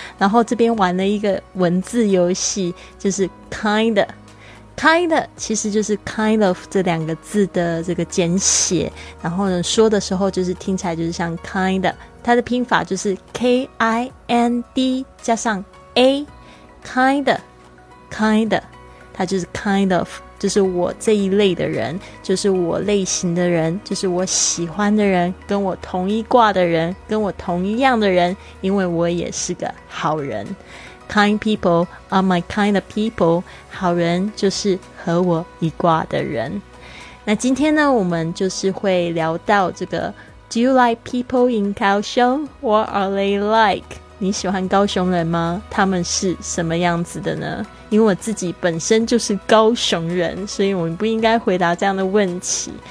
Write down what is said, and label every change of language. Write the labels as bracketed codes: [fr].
[zh] 然后这边玩了一个文字游戏，就是 kind 其实就是 kind of 这两个字的这个简写，然后呢说的时候就是听起来就是像 kind， 它的拼法就是 k-i-n-d 加上 a， kind 它就是 kind of， 就是我这一类的人，就是我类型的人，就是我喜欢的人，跟我同一挂的人，跟我同一样的人，因为我也是个好人。 [en] Kind people are my kind of people， [zh] 好人就是和我一挂的人。那今天呢，我们就是会聊到这个 [en] Do you like people in [zh] 高雄？ [en] What are they like？ [zh] 你喜欢高雄人吗？他们是什么样子的呢？因为我自己本身就是高雄人，所以我们不应该回答这样的问题。